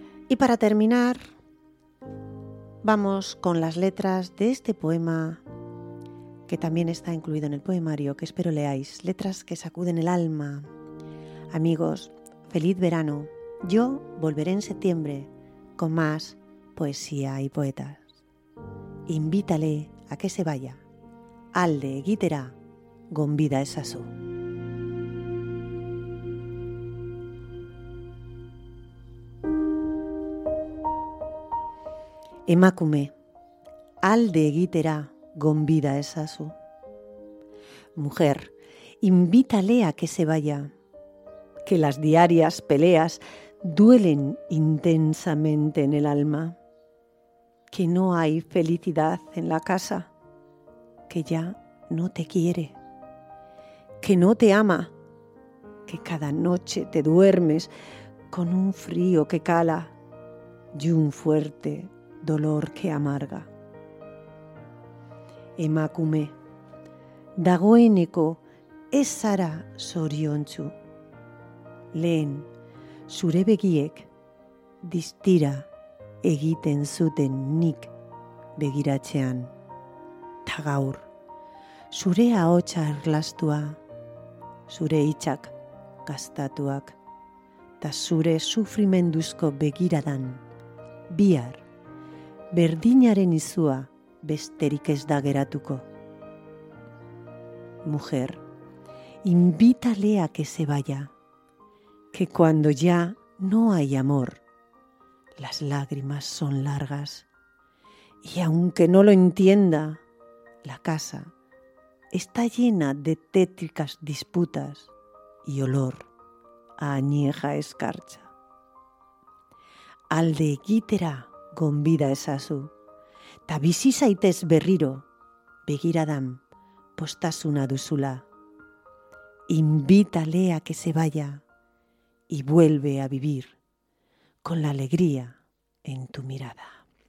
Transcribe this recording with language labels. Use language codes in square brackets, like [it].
[es] Y para terminar, vamos con las letras de este poema que también está incluido en el poemario, que espero leáis. Letras que sacuden el alma. Amigos, feliz verano. Yo volveré en septiembre con más poesía y poetas. Invítale a que se vaya. [eu] Alde egitera, gonbida ezazu. Emakume, alde egitera, gonbida ezazu. [es] Mujer, invítale a que se vaya. Que las diarias peleas duelen intensamente en el alma. Que no hay felicidad en la casa, que ya no te quiere, que no te ama, que cada noche te duermes con un frío que cala y un fuerte dolor que amarga. [eu] Emakume, dagoeneko ez zara zoriontsu, lehen zure begiek distira egiten zuten nik begiratzean. Ta gaur, zure ahotsa erlastua, zure hitzak gastatuak, ta zure sufrimenduzko begiradan, bihar, berdinaren izua besterik ez da geratuko. [es] Mujer, invítale a que se vaya, que cuando ya no hay amor, las lágrimas son largas. Y aunque no lo entienda, la casa está llena de tétricas disputas y olor a añeja escarcha. [eu] Alde egitera gonbida ezazu, ta bizi zaitez berriro, begiradan postasuna duzula. [es] Invítale a que se vaya y vuelve a vivir con la alegría en tu mirada.